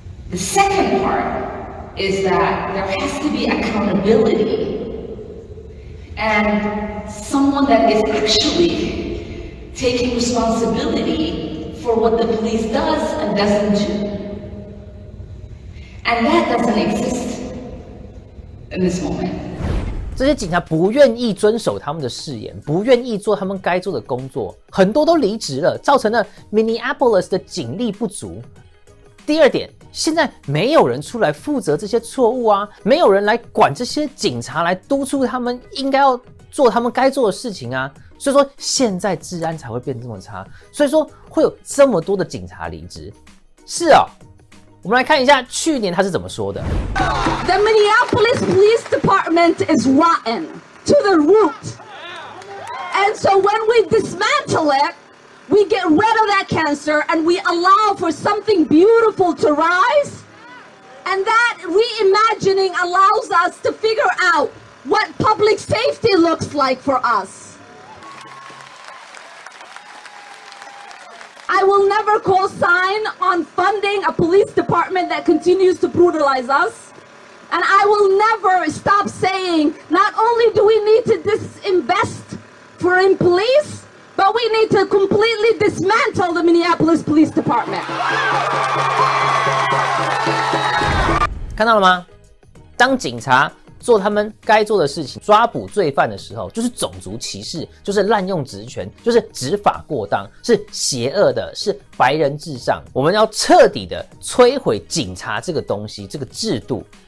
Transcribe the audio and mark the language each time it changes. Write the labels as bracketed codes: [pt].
[en] The second part is that there has to be accountability and someone that is actually taking responsibility for what the police does and doesn't do. And that doesn't exist in this moment. [zh] 这些警察不愿意遵守他们的誓言，不愿意做他们该做的工作，很多都离职了，造成了 Minneapolis 的警力不足。第二点，现在没有人出来负责这些错误啊，没有人来管这些警察，来督促他们应该要做他们该做的事情啊，所以说现在治安才会变这么差，所以说会有这么多的警察离职。是哦，我们来看一下去年他是怎么说的。 [en] The Minneapolis Police Department is rotten to the root. And so when we dismantle itWe get rid of that cancer and we allow for something beautiful to rise. And that reimagining allows us to figure out what public safety looks like for us. I will never co-sign on funding a police department that continues to brutalize us. And I will never stop saying, not only do we need to disinvest from police,But we need to completely dismantle the Minneapolis Police Department. [zh] 看到了吗？当警察做他们该做的事情，抓捕罪犯的时候，就是种族歧视，就是滥用职权，就是执法过当，是邪恶的，是白人至上。我们要彻底的摧毁警察这个东西，这个制度。